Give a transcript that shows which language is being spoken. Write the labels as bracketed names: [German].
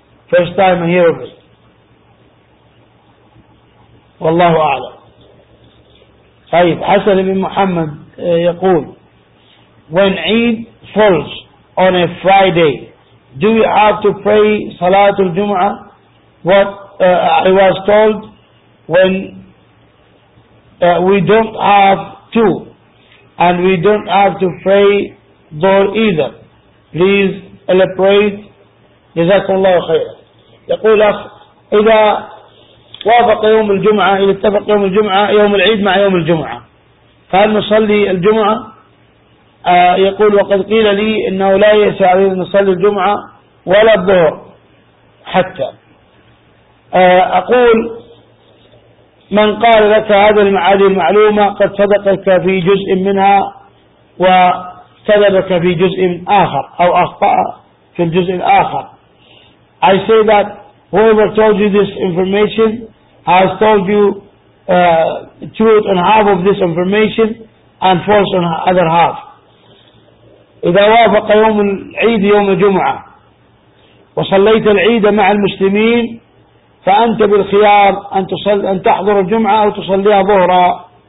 [English] First time I hear of it. Wallahu a'lam. [Arabic] طيب حسن بن محمد يقول [English] When Eid falls on a Friday do we have to pray Salatul Jum'ah? What I was told when we don't have to and we don't have to pray Dhuhr either please elaborate Jazakumullah khair [Arabic] يقول أخ إذا وافق يوم الجمعة إذا اتفق يوم الجمعة يوم العيد مع يوم الجمعة فهل نصلي الجمعة يقول وقد قيل لي إنه لا يسع علينا نصلي الجمعة ولا الظهر حتى أقول من قال لك هذا المعاد المعلومة قد صدقك في جزء منها وكذبك في جزء آخر أو أخطأ في الجزء الآخر. [English] I say that whoever told you this information has told you truth on half of this information and false on the other half. [Arabic] إذا وافق يوم العيد يوم الجمعة وصليت العيد مع المسلمين فأنت بالخيار أن تصل أن تحضر الجمعة أو تصليها ظهرا.